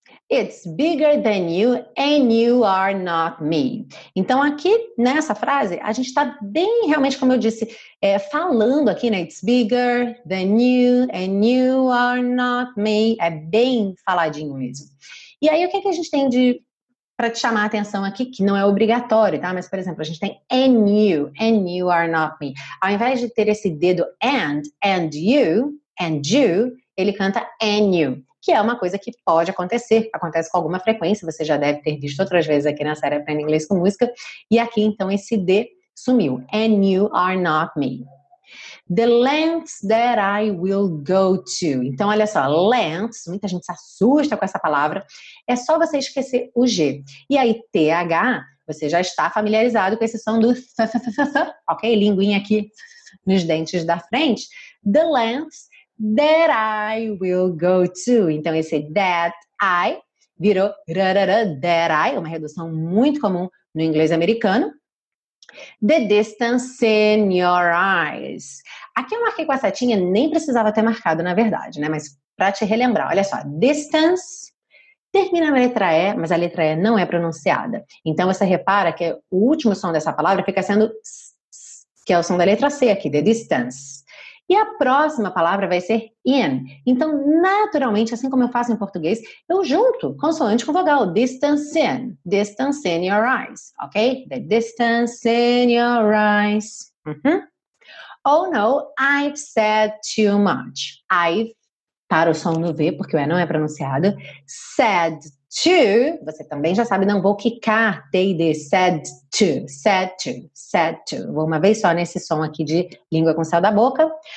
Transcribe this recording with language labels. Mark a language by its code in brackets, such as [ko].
[en] It's bigger than you and you are not me. [pt] Então, aqui nessa frase, a gente está bem realmente, como eu disse, falando aqui, né? [en] It's bigger than you and you are not me. [pt] É bem faladinho mesmo. E aí, o que, que a gente tem para te chamar a atenção aqui, que não é obrigatório, tá? Mas, por exemplo, a gente tem [en] and you are not me. [pt] Ao invés de ter esse dedo and you, ele canta and you, que é uma coisa que pode acontecer, acontece com alguma frequência, você já deve ter visto outras vezes aqui na série Aprenda Inglês com Música, e aqui então esse D sumiu, [en] and you are not me. The lengths that I will go to. [pt] Então olha só, lengths, muita gente se assusta com essa palavra, é só você esquecer o G. E aí TH, você já está familiarizado com esse som do th, ok? Linguinha aqui nos dentes da frente. [en] The lengths that I will go to. [pt] Então, esse that I virou rarara, that I, uma redução muito comum no inglês americano. [en] The distance in your eyes. [pt] Aqui eu marquei com a setinha, nem precisava ter marcado, na verdade, né? Mas para te relembrar, olha só. Distance termina na letra E, mas a letra E não é pronunciada. Então, você repara que o último som dessa palavra fica sendo s, que é o som da letra C aqui, the distance. E a próxima palavra vai ser in. Então, naturalmente, assim como eu faço em português, eu junto consoante com vogal. [en] Distance in your eyes, ok? The distance in your eyes. Uh-huh. Oh no, I've said too much. [pt] I've, para o som no V, porque o E não é pronunciado. Said to, você também já sabe, não vou quicar. Said to. Vou uma vez só nesse som aqui de língua com céu da boca.